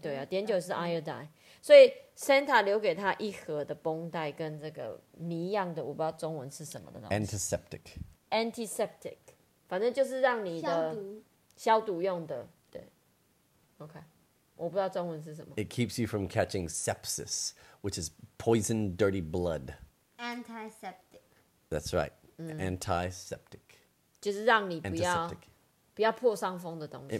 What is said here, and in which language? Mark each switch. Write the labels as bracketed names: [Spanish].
[Chinese] 对啊，碘酒是 iodine. 所以 Santa 留给他一盒的绷带跟这个谜样的，我不知道中文是什么的东西。 [English] Antiseptic. [Chinese] Antiseptic. 反正就是让你的。消毒用的，对。OK，我不知道中文是什么。 [English] It keeps you from catching sepsis, which is poison, dirty blood. Antiseptic. That's right. Antiseptic. [Chinese] 就是让你不要破伤风的东西。